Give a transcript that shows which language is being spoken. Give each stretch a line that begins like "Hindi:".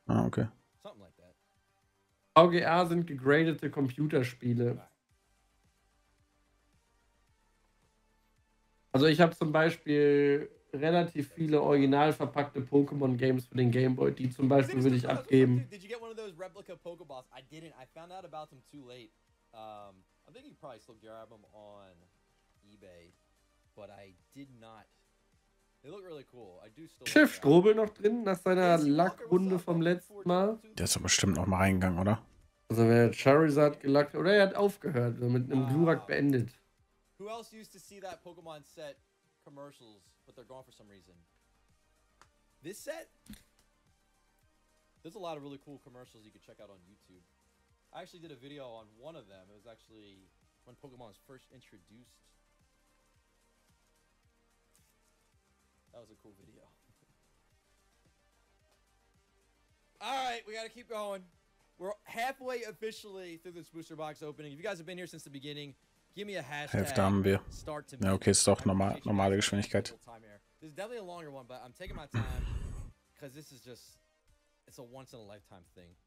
German: Ah, okay. VGR sind gegradete Computerspiele. Also ich habe zum Beispiel relativ viele original verpackte Pokémon-Games für den Game Boy, die zum Beispiel würde ich abgeben.
English: Did you get one of those replica Pokeballs? I didn't. I found out about them too late. I think you probably still grab them on eBay, but I did not. They look really cool. I do still
German: Chef Strobel noch drin nach seiner Lackrunde vom letzten Mal. Der ist doch bestimmt noch mal reingegangen, oder? Also wer Charizard gelackt oder er hat aufgehört, so mit einem Glurak beendet.
English: Who else used to see that Pokemon set commercials, but they're gone for some reason? This set? There's a lot of really cool commercials you can check out on YouTube. I actually did a video on one of them. It was actually when Pokemon was first introduced. That was a cool video. All right, we got to keep going. We're halfway officially through this booster box opening. If you guys have been here since the beginning, give me a hashtag.
German: Hälfte haben wir. Start to ja, okay, ist doch normale Geschwindigkeit.
English: This is definitely a longer one, but I'm taking my time because this is just, it's a once in a lifetime thing.